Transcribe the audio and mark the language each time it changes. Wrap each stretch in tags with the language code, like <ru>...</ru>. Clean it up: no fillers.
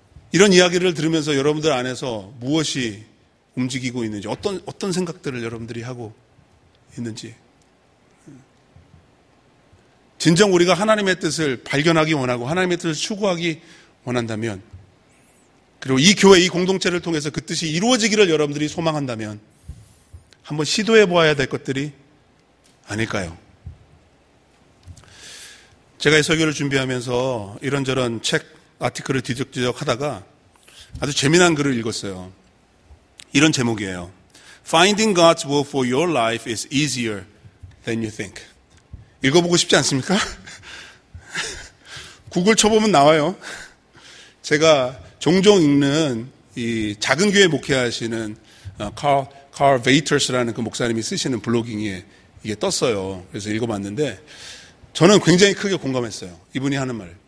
<ko>이런 이야기를 들으면서 여러분들 안에서 무엇이 움직이고 있는지 어떤 생각들을 여러분들이 하고 있는지 진정 우리가 하나님의 뜻을 발견하기 원하고 하나님의 뜻을 추구하기 원한다면 그리고 이 교회, 이 공동체를 통해서 그 뜻이 이루어지기를 여러분들이 소망한다면 한번 시도해 보아야 될 것들이 아닐까요? 제가 이 설교를 준비하면서 이런저런 책, 아티클을 뒤적뒤적 하다가 아주 재미난 글을 읽었어요. 이런 제목이에요.</ko> <en>Finding God's will for your life is easier than you think.</en> <ko>읽어보고 싶지 않습니까? 구글 쳐보면 나와요. 제가 종종 읽는 이 작은 교회 목회하시는 Carl Vaters라는 그 목사님이 쓰시는 블로깅에 이게 떴어요. 그래서 읽어봤는데 저는 굉장히 크게 공감했어요. 이분이 하는 말.</ko>